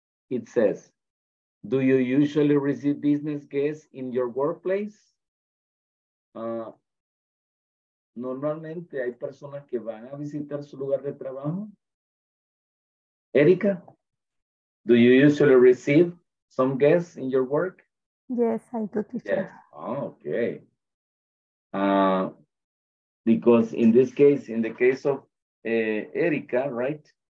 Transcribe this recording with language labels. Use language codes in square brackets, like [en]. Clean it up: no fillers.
[en] It says, do you usually receive business guests in your workplace? [es] Normalmente hay personas que van a visitar su lugar de trabajo. [en] Erika, do you usually receive some guests in your work? Yes, I do, teacher. Yes. Oh, okay. Because in this case, in the case of Erika, right?